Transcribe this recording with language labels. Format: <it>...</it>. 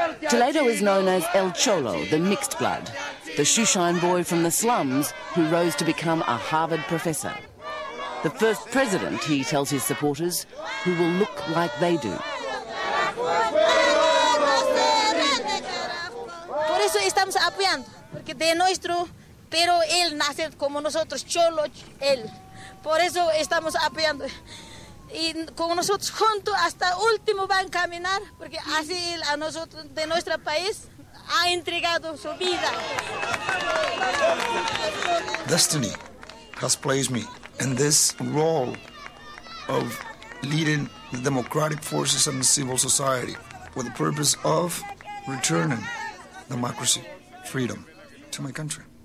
<en>Toledo is known as El Cholo, the mixed blood, the shoeshine boy from the slums who rose to become a Harvard professor. The first president, he tells his supporters, who will look like they do.</en> <es>Por eso estamos apoyando, porque de nuestro, pero él nace como nosotros, Cholo, él. Por eso estamos apoyando. Y con nosotros juntos hasta último van a caminar, porque así él a nosotros de nuestro país ha entregado su vida.</es> <en>Destiny has placed me in this role of leading the democratic forces and the civil society with the purpose of returning democracy, freedom to my country.</en>